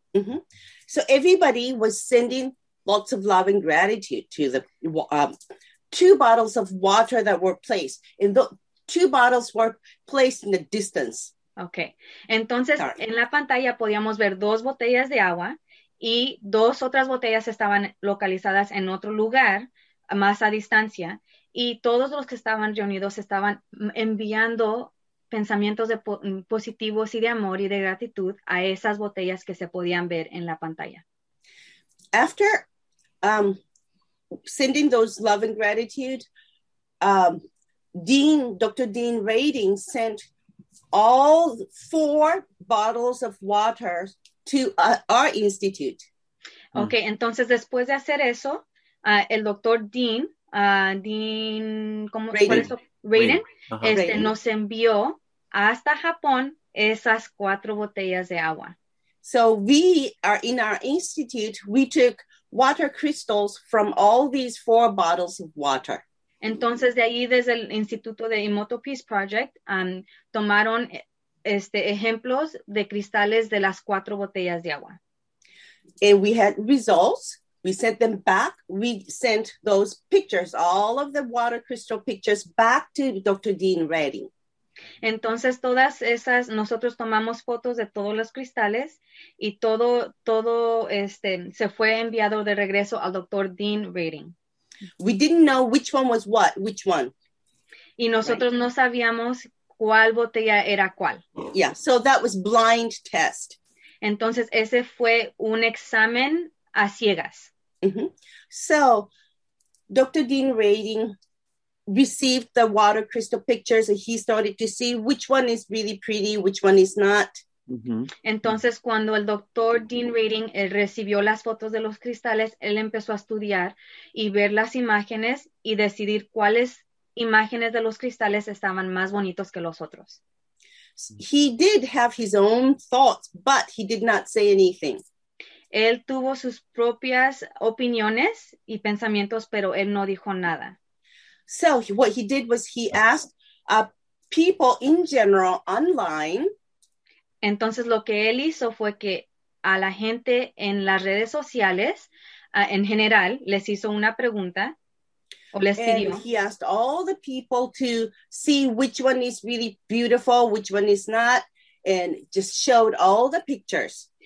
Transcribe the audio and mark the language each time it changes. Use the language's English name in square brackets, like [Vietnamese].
[English] Mm-hmm. So everybody was sending lots of love and gratitude to the 2 bottles of water that were placed. And the 2 bottles were placed in the distance. Okay. [Spanish] Entonces, en la pantalla podíamos ver 2 botellas de agua y 2 otras botellas estaban localizadas en otro lugar, más a distancia. Y todos los que estaban reunidos estaban enviando pensamientos de positivos y de amor y de gratitud a esas botellas que se podían ver en la pantalla. [English] After sending those love and gratitude, Dr. Dean Radin sent all 4 bottles of water to our institute. [Spanish] Okay, entonces después de hacer eso, el Dr. Dean, Radin, nos envió hasta Japón esas 4 botellas de agua. [English] So we are in our institute, we took water crystals from all these 4 bottles of water. [Spanish] Entonces, de ahí, desde el Instituto de Emoto Peace Project, tomaron ejemplos de cristales de las 4 botellas de agua. [English] And we had results. We sent them back. We sent those pictures, all of the water crystal pictures, back to Dr. Dean Radin. [Spanish] Entonces, todas esas, nosotros tomamos fotos de todos los cristales y todo se fue enviado de regreso al Dr. Dean Radin. [English] We didn't know which one was what, which one. [Spanish] Y nosotros right. No sabíamos cuál botella era cuál. [English] Yeah, so that was blind test. [Spanish] Entonces, ese fue un examen a ciegas. [English] Mm-hmm. So, Dr. Dean Radin received the water crystal pictures and he started to see which one is really pretty, which one is not. Mm-hmm. [Spanish] Entonces, cuando el Dr. Dean Radin recibió las fotos de los cristales, él empezó a estudiar y ver las imágenes y decidir cuáles imágenes de los cristales estaban más bonitos que los otros. [English] He did have his own thoughts, but he did not say anything. [Spanish] Él tuvo sus propias opiniones y pensamientos, pero él no dijo nada. [English] So what he did was he asked people in general online. [Spanish] Entonces, lo que él hizo fue que a la gente en las redes sociales, en general, les hizo una pregunta o les pidió. [English] And he asked all the people to see which one is really beautiful, which one is not, and just showed all the pictures.